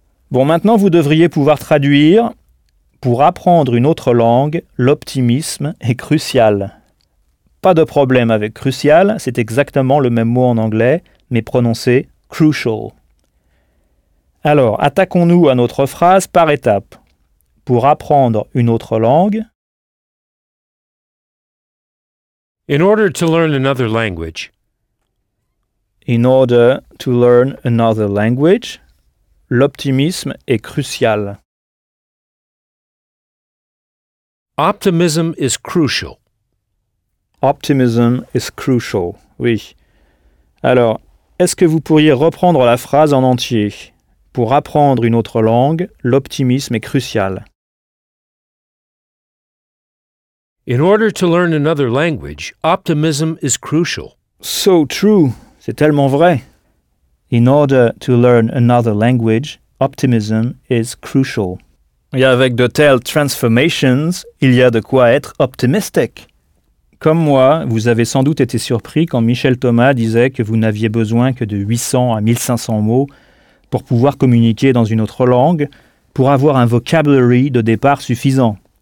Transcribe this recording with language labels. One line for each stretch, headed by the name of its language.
French: Bon, maintenant, vous devriez pouvoir traduire « pour apprendre une autre langue, l'optimisme est crucial ». Pas de problème avec crucial, c'est exactement le même mot en anglais, mais prononcé crucial. Alors, attaquons-nous à notre phrase par étapes. Pour apprendre une autre langue.
English: In order to learn another language. In order to learn another language.
French: L'optimisme est crucial.
English: Optimism is crucial. Optimism is crucial, oui.
French: Alors, est-ce que vous pourriez reprendre la phrase en entier? Pour apprendre une autre langue, l'optimisme est crucial.
English: In order to learn another language, optimism is crucial. So true,
French: c'est tellement vrai.
English: In order to learn another language, optimism is crucial.
French: Et avec de telles transformations, il y a de quoi être optimistique. Comme moi, vous avez sans doute été surpris quand Michel Thomas disait que vous n'aviez besoin que de 800 à 1500 mots pour pouvoir communiquer dans une autre langue, pour avoir un vocabulary de départ suffisant.